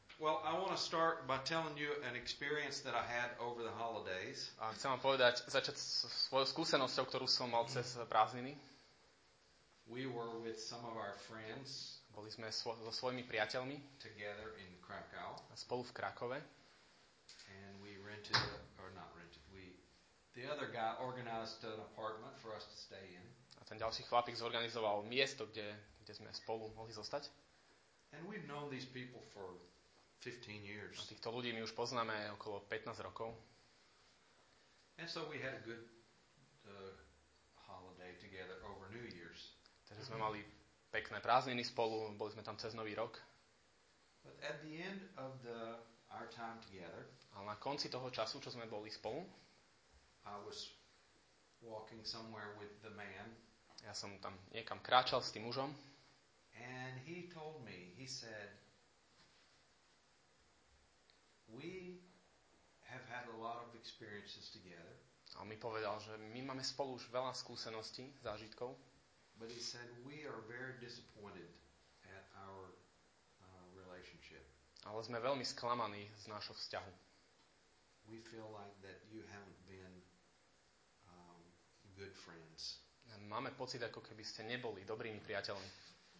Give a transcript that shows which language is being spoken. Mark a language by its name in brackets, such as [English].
[English] Well, I want to start by telling you an experience that I had over the holidays. [Slovak] A chcem vám povedať, začať s svojou skúsenosťou, ktorú som mal cez prázdniny. [English] We were with some of our friends. [Slovak] Boli sme so svojimi priateľmi. [English] Together in Krakow. [Slovak] Spolu v Krakove. [English] And we rented or not rented. The other guy organized an apartment for us to stay in. [Slovak] A ten ďalší chlapík zorganizoval miesto, kde sme spolu mohli zostať. [English] And we've known these people for 15 years. [Slovak] A týchto ľudí my už poznáme okolo 15 rokov. [English] And so we had a good holiday together over New Year's. [Slovak] Takže sme mali pekné prázdniny spolu, boli sme tam cez Nový rok. [English] But at the end of our time together. [Slovak] Ale na konci toho času, čo sme boli spolu, [English] I was walking somewhere with the man. [Slovak] Ja som tam niekam kráčal s tým mužom. [English] And he told me, he said, we have had a lot of experiences together. [Slovak] A on mi povedal, že my máme spolu už veľa skúseností, zážitkov. [English] But he said, we are very disappointed at our relationship. [Slovak] Ale sme veľmi sklamaní z nášho vzťahu. [English] We feel like that you haven't been good friends. [Slovak] Máme pocit, ako keby ste neboli dobrými priateľmi.